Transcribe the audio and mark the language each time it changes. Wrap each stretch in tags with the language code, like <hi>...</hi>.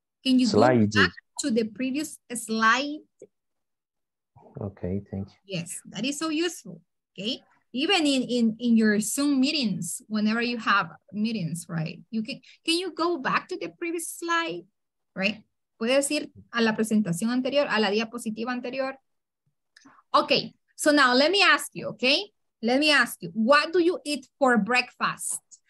<en>Can you slide go back to the previous slide? Okay, thank you. Yes, that is so useful. Okay. Even in your Zoom meetings, whenever you have meetings, right? Can you go back to the previous slide? Right?</en> <es>Puedes ir a la presentación anterior, a la diapositiva anterior.</es> <en>Okay, so now let me ask you, okay? Let me ask you, what do you eat for breakfast?</en>